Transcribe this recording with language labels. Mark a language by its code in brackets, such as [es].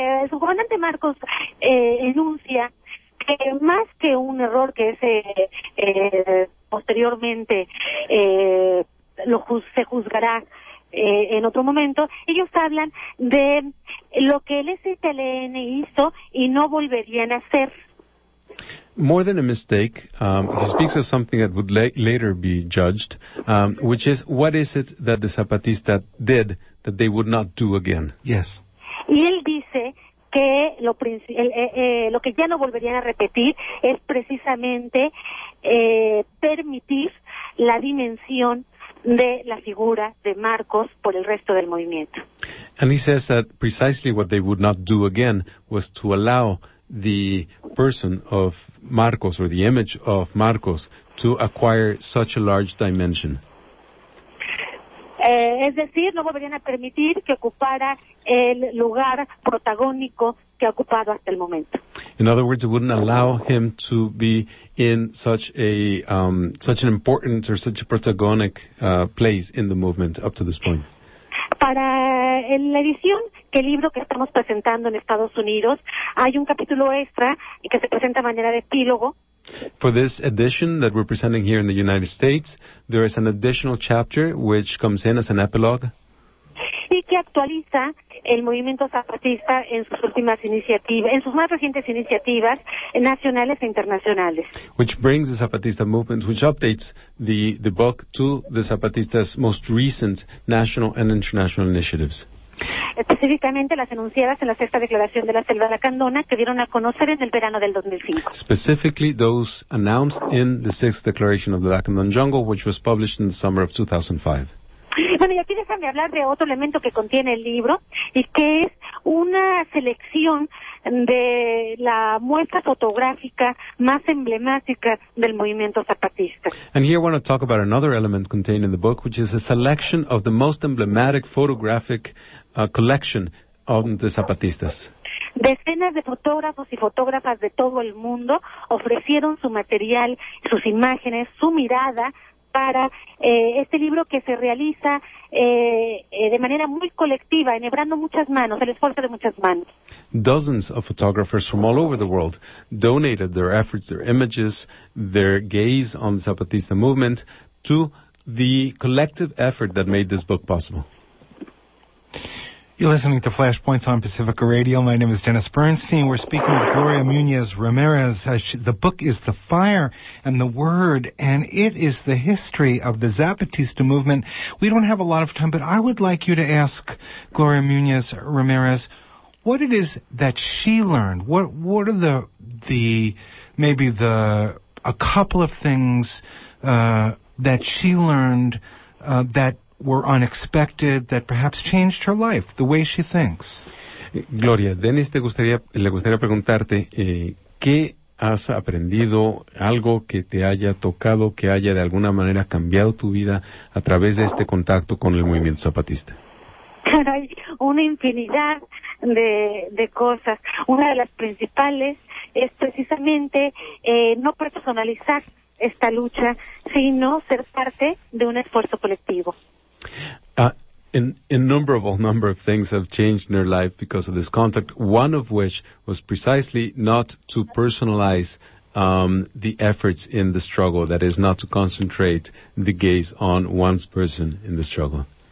[es] Su comandante Marcos enuncia que más que un error que ese posteriormente se juzgará en otro momento, ellos hablan de lo que el EZLN hizo y no volverían a hacer. [en] More than a mistake, he speaks of something that would later be judged, which is what is it that the Zapatista did that they would not do again? Yes. [es] Y él dice que lo que ya no volverían a repetir es precisamente permitir la dimensión de la figura de Marcos por el resto del movimiento. [en] And he says that precisely what they would not do again was to allow the person of Marcos or the image of Marcos to acquire such a large dimension. [es] Es decir, no volverían a permitir que ocupara el lugar protagónico que ha ocupado hasta el momento. [en] In other words, it wouldn't allow him to be in such a such an important or such a protagonic place in the movement up to this point. [es] Para la edición que el libro que estamos presentando en Estados Unidos, hay un capítulo extra que se presenta a manera de epílogo. [en] For this edition that we're presenting here in the United States, there is an additional chapter which comes in as an epilogue. [es] Y que actualiza el movimiento zapatista en sus últimas iniciativas, en sus más recientes iniciativas nacionales e internacionales. [en] Which brings the Zapatista movement, which updates the book to the Zapatista's most recent national and international initiatives. [es] Específicamente las enunciadas en la sexta declaración de la Selva Lacandona que dieron a conocer en el verano del 2005. [en] Specifically those announced in the sixth declaration of the Lacandon Jungle, which was published in the summer of 2005. [es] Bueno, y aquí déjame hablar de otro elemento que contiene el libro y que es una selección de la muestra fotográfica más emblemática del movimiento zapatista. [en] And here I want to talk about another element contained in the book, which is a selection of the most emblematic photographic collection of the Zapatistas. [es] Decenas de fotógrafos y fotógrafas de todo el mundo ofrecieron su material, sus imágenes, su mirada para este libro que se realiza de manera muy colectiva, enhebrando muchas manos, el esfuerzo de muchas manos. [en] Dozens of photographers from all over the world donated their efforts, their images, their gaze on the Zapatista movement to the collective effort that made this book possible. You're listening to Flashpoints on Pacifica Radio. My name is Dennis Bernstein. We're speaking with Gloria Muñoz Ramirez. The book is The Fire and the Word, and it is the history of the Zapatista movement. We don't have a lot of time, but I would like you to ask Gloria Muñoz Ramirez what it is that she learned. What are a couple of things that she learned that were unexpected, that perhaps changed her life, the way she thinks. [es] Gloria, Dennis, le gustaría preguntarte qué has aprendido, algo que te haya tocado, que haya de alguna manera cambiado tu vida a través de este contacto con el movimiento zapatista. Caray, una infinidad de cosas. Una de las principales es precisamente no personalizar esta lucha, sino ser parte de un esfuerzo colectivo. [en] Innumerable number of things have changed in her life because of this contact, one of which was precisely not to personalize the efforts in the struggle, that is, not to concentrate the gaze on one's person in the struggle.